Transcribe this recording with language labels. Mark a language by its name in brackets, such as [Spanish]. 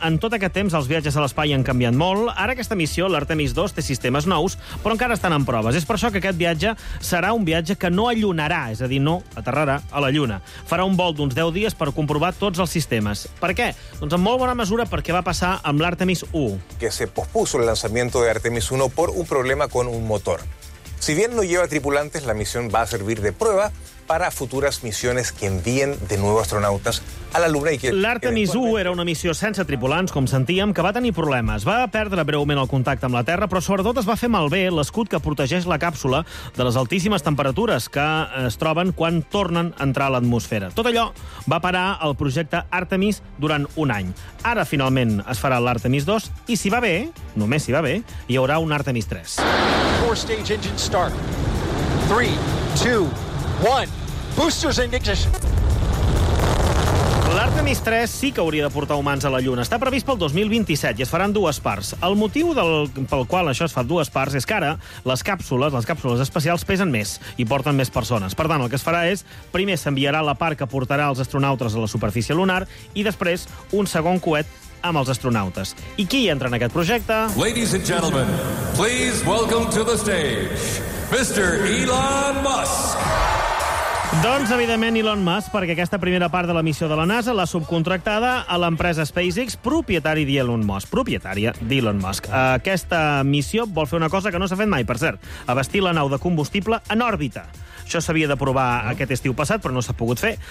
[Catalan] En tot aquest temps, els viatges a l'espai han canviat molt. Ara aquesta missió, l'Artemis 2, té sistemes nous, però encara estan en proves. És per això que aquest viatge serà un viatge que no allunarà, és a dir, no aterrarà a la Lluna. Farà un vol d'uns 10 dies per comprovar tots els sistemes. Per què? Doncs en molt bona mesura perquè va passar amb l'Artemis 1. [Spanish] Que se pospuso el lanzamiento de Artemis 1 por un problema con un motor. Si bien no lleva tripulantes, la misión va a servir de prueba para futuras misiones que envíen de nuevo astronautas a la Luna. [Catalan] L'Artemis 1 era una missió sense tripulants, com sentíem, que va tenir problemes. Va perdre breument el contacte amb la Terra, però sobretot es va fer malbé l'escut que protegeix la càpsula de les altíssimes temperatures que es troben quan tornen a entrar a l'atmosfera. Tot allò va parar el projecte Artemis durant un any. Ara, finalment, es farà l'Artemis 2, i si va bé, només si va bé, hi haurà un Artemis 3. [English] 4-stage engine start. 3, 2, 1. Boosters in ignition. [Catalan] L'Artemis 3 sí que hauria de portar humans a la Lluna. Està previst pel 2027 i es faran dues parts. El motiu pel qual això es fa dues parts és que ara les càpsules especials pesen més i porten més persones. Per tant, el que es farà és, primer s'enviarà la part que portarà els astronautes a la superfície lunar i després un segon coet amb els astronautes. I qui entra en aquest projecte? [English] Ladies and gentlemen, please welcome to the stage Mr. Elon Musk. [Catalan] Doncs, evidentment, Elon Musk, perquè aquesta primera part de la missió de la NASA l'ha subcontractada a l'empresa SpaceX, propietari d'Elon Musk, propietària d'Elon Musk. Aquesta missió vol fer una cosa que no s'ha fet mai, per cert, abastir la nau de combustible en òrbita. Això s'havia de provar aquest estiu passat, però no s'ha pogut fer.